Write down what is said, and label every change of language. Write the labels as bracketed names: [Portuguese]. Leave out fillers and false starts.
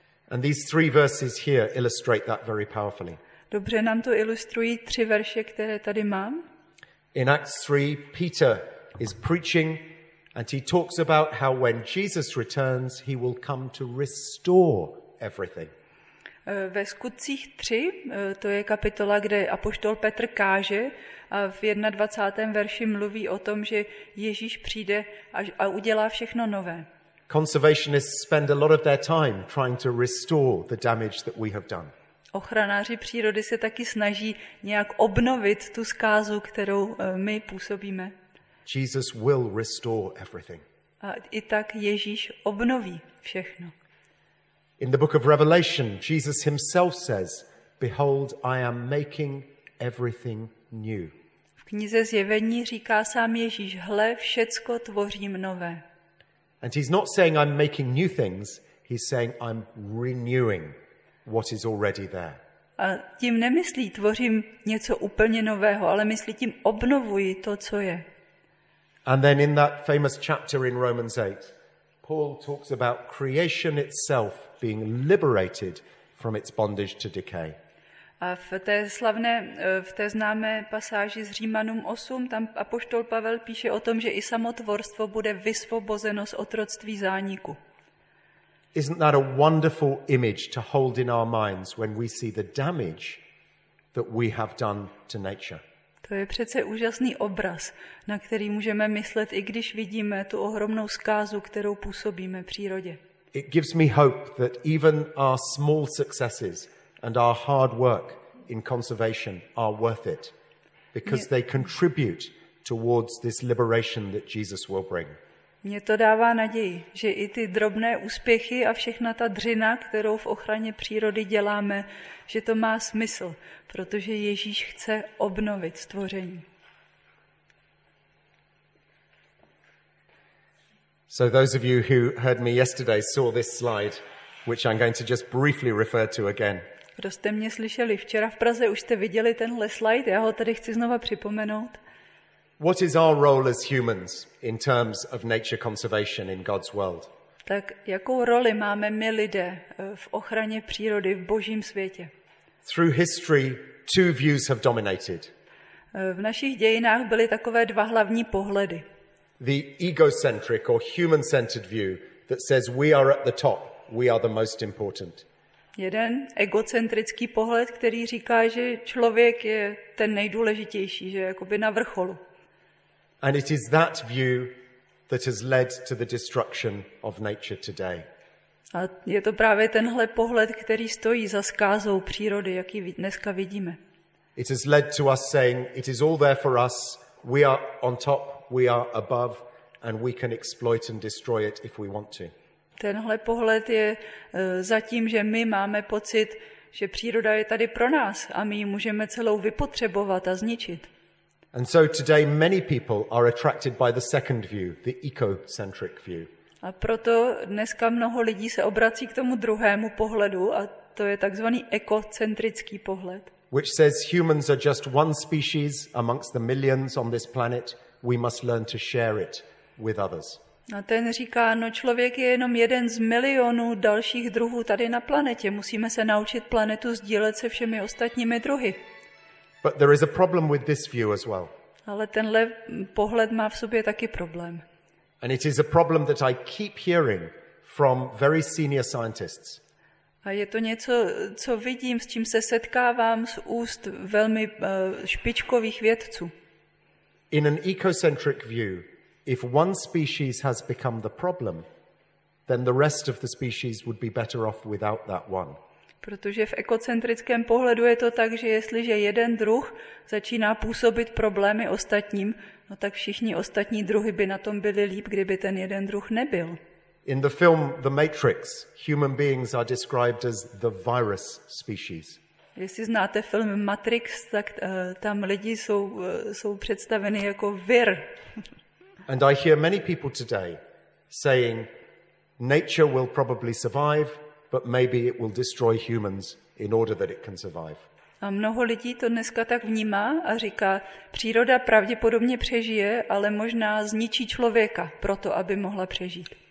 [English] And these three verses here illustrate that very powerfully. [Czech] Dobře nám to ilustrují tři verše, které tady mám. [English] In Acts 3, Peter is preaching and he talks about how when Jesus returns, he will come to restore everything. [Czech] Ve Skutcích 3, to je kapitola, kde apoštol Petr káže a v 21. verši mluví o tom, že Ježíš přijde a udělá všechno nové. [English] Conservationists spend a lot of their time trying to restore the damage that we have done. [Czech] Ochranáři přírody se taky snaží nějak obnovit tu zkázu, kterou my působíme. [English] Jesus will restore everything. [Czech] A i tak Ježíš obnoví všechno. [English] In the book of Revelation, Jesus himself says, "Behold, I am making everything new." [Czech] V knize Zjevení říká sám Ježíš: "Hle, všecko tvořím nové." [English] And he's not saying I'm making new things, he's saying I'm renewing what is already there. [Czech] A tím nemyslí tvořím něco úplně nového, ale myslí tím obnovuji to, co je. [English] And then in that famous chapter in Romans 8, Paul talks about creation itself being liberated from its bondage to decay. [Czech] A v té známé pasáži z Římanům 8, tam apoštol Pavel píše o tom, že i samotvorstvo bude vysvobozeno z otroctví zániku. [English] Isn't that a wonderful image to hold in our minds when we see the damage that we have done to nature? [Czech] To je přece úžasný obraz, na který můžeme myslet, i když vidíme tu ohromnou zkázu, kterou působíme přírodě. [English] It gives me hope that even our small successes and our hard work in conservation are worth it, because they contribute towards this liberation that Jesus will bring. [Czech] Mě to dává naději, že i ty drobné úspěchy a všechna ta dřina, kterou v ochraně přírody děláme, že to má smysl, protože Ježíš chce obnovit stvoření. [English] So those of you who heard me yesterday saw this slide, which I'm going to just briefly refer to again. [Czech] Kdo jste mě slyšeli včera v Praze, už jste viděli tenhle slide, já ho tady chci znova připomenout. [English] What is our role as humans in terms of nature conservation in God's world? [Czech] Tak jakou roli máme my lidé v ochraně přírody v Božím světě? [English] Through history, two views have dominated. [Czech] V našich dějinách byly takové dva hlavní pohledy. [English] The egocentric or human-centered view that says we are at the top, we are the most important. [Czech] Jeden egocentrický pohled, který říká, že člověk je ten nejdůležitější, že je jakoby na vrcholu. [English] And it is that view that has led to the destruction of nature today. [Czech] A je to právě tenhle pohled, který stojí za zkázou přírody, jaký dneska vidíme. [English] It has led to us saying it is all there for us. We are on top, we are above, and we can exploit and destroy it if we want to. [Czech] Tenhle pohled je za tím, že my máme pocit, že příroda je tady pro nás a my ji můžeme celou vypotřebovat a zničit. [English] And so today many people are attracted by the second view, the ecocentric view. [Czech] A proto dneska mnoho lidí se obrací k tomu druhému pohledu a to je takzvaný ekocentrický pohled. [English] Which says humans are just one species amongst the millions on this planet. We must learn to share it with others. [Czech] A ten říká, no člověk je jenom jeden z milionů dalších druhů tady na planetě. Musíme se naučit planetu sdílet se všemi ostatními druhy. [English] But there is a problem with this view as well. [Czech] Ale tenhle pohled má v sobě taky problém. [English] And it is a problem that I keep hearing from very senior scientists. [Czech] A je to něco, co vidím, s čím se setkávám z úst velmi špičkových vědců. [English] In an ecocentric view, if one species has become the problem, then the rest of the species would be better off without that one. [Czech] Protože v ekocentrickém pohledu je to tak, že jestliže jeden druh začíná působit problémy ostatním, no tak všichni ostatní druhy by na tom byli líp, kdyby ten jeden druh nebyl. [English] In the film The Matrix, human beings are described as the virus species. [Czech] Jestli znáte film Matrix, tak tam lidi jsou představeni jako vir. [English] And I hear many people today saying nature will probably survive, but maybe it will destroy humans in order that it can survive. [Czech] A mnoho lidí to dneska tak vnímá a říká, příroda pravděpodobně přežije, ale možná zničí člověka proto, aby mohla přežít.